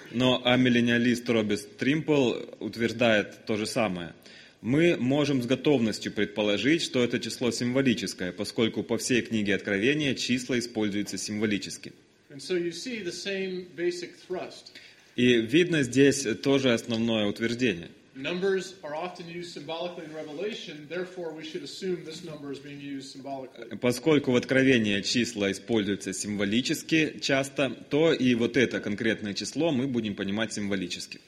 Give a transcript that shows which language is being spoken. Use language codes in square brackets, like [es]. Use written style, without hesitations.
[ru] Но амиллениалист Роберт Стримпл утверждает то же самое. Мы можем с готовностью предположить, что это число символическое, поскольку по всей книге Откровения числа используются символически. [en] And so you see the same basic thrust. [ru] И видно здесь тоже основное утверждение. [en] Numbers are often used symbolically in Revelation, therefore we should assume this number is being used symbolically. [ru] Поскольку в Откровении числа используются символически часто, то и вот это конкретное число мы будем понимать символически.